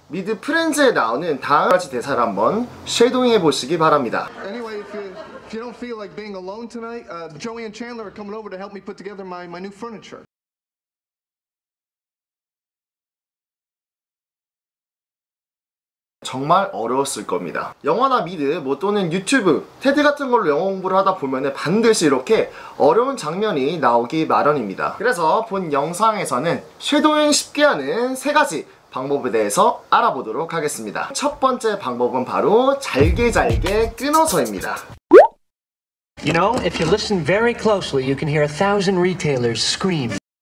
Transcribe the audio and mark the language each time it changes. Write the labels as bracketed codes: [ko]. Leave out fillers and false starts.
[ko] 미드 프렌즈에 나오는 다음 가지 대사를 한번 쉐도잉 해보시기 바랍니다. [en] Anyway, if you don't feel like being alone tonight, Joey and Chandler are coming over to help me put together my new furniture. [ko] 정말 어려웠을 겁니다. 영어나 미드, 뭐 또는 유튜브, 테드 같은 걸로 영어 공부를 하다 보면 반드시 이렇게 어려운 장면이 나오기 마련입니다. 그래서 본 영상에서는 쉐도잉 쉽게 하는 세 가지 방법에 대해서 알아보도록 하겠습니다. 첫 번째 방법은 바로 잘게 잘게 끊어서입니다. [en] You know, if you listen very closely, you can hear a thousand retailers scream.